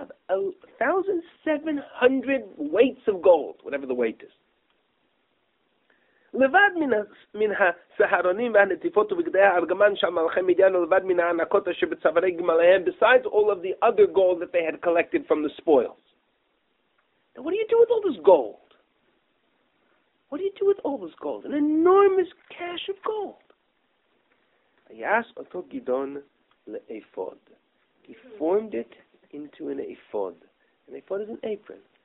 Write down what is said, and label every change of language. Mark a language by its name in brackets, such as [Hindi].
[English] 1,700 weights of gold, whatever the weight is. [Hebrew] לבד מן הסהרונים והנטיפות ובגדי הארגמן של מלכי מדיין ולבד מן הענקות אשר בצווארי גמליהם, [English] besides all of the other gold that they had collected [Hebrew] from the spoils. [English] Now what do you do with all this gold? What do you do with all this gold? An enormous cache of gold. [Hebrew] ויעש אותו גדעון לאפוד. [English] He formed it into an אפוד. An אפוד is an apron.